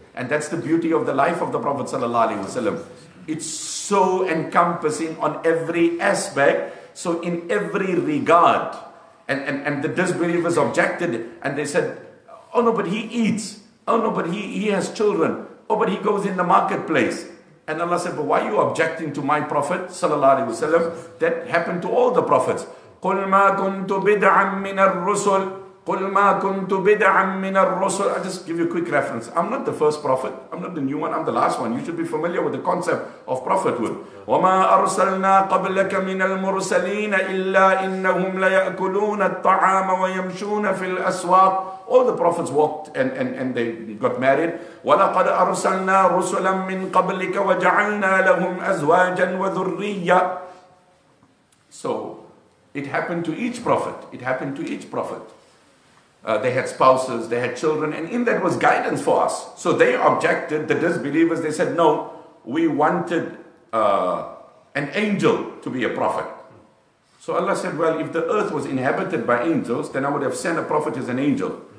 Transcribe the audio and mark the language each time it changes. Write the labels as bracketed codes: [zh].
[en] And that's the beauty of the life of the Prophet sallallahu alaihi wasallam. It's so encompassing on every aspect, so in every regard. And the disbelievers objected and they said, oh no, but he eats. Oh no, but he has children. Oh, but he goes in the marketplace. And Allah said, but why are you objecting to my Prophet sallallahu alaihi wasallam? That happened to all the prophets. [ar] قُلْ مَا كُنْتُ بِدْعًا مِنَ الرُّسُلِ قُلْ مَا كُنْتُ بِدْعًا مِنَ الرُّسُلِ [en] I'll just give you a quick reference. I'm not the first prophet. I'm not the new one. I'm the last one. You should be familiar with the concept of prophethood. [ar] وَمَا أَرْسَلْنَا قَبْلَكَ مِنَ الْمُرْسَلِينَ إِلَّا إِنَّهُمْ لَيَأْكُلُونَ الطَّعَامَ وَيَمْشُونَ فِي الْأَسْوَاقِ [en] All the prophets walked and they got married. [ar] وَلَقَدْ أَرْسَلْنَا رُسُلًا مِّن قَبْلِكَ وَجَعَلْنَا لَهُمْ أَزْوَاجًا وَذُرِّيَّةً [en] So, it happened to each prophet. It happened to each prophet. They had spouses, they had children, and in that was guidance for us. So they objected, the disbelievers, they said, no, we wanted an angel to be a prophet. So Allah said, well, if the earth was inhabited by angels, then I would have sent a prophet as an angel.